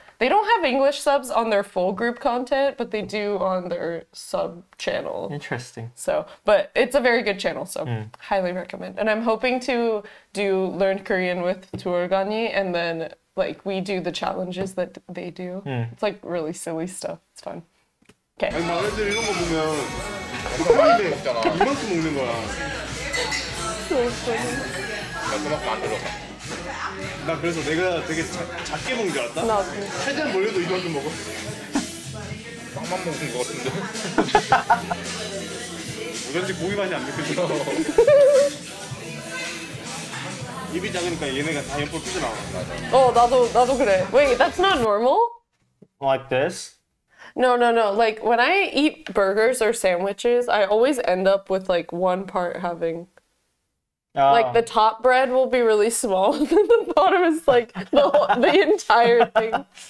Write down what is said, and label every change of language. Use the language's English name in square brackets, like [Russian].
[English] They don't have English subs on their full group content, but they do on their sub channel. Interesting. So, but it's a very good channel, so highly recommend. And I'm hoping to do Learn Korean with 두어가니, and then like we do the challenges that they do. It's like really silly stuff. It's fun. Okay. 아니, [Korean] 많은데 이런 거 보면 이만큼 먹는 거야. 소스. 나 그만큼 안 들어. 나 그래서 내가 되게 작게 먹는 줄 알았다. 나 최대한 몰려도 이 정도 먹어. 빵만 먹은 것 같은데. 우연치 고기 맛이 안 느껴져. 입이 작으니까 얘네가 다 옆으로 뛰어나와. 나도 그래. [English] Wait, that's not normal? Like this? No. Like when I eat burgers or sandwiches, I always end up with like one part having. Like the top bread will be really small, and the bottom is like the entire thing.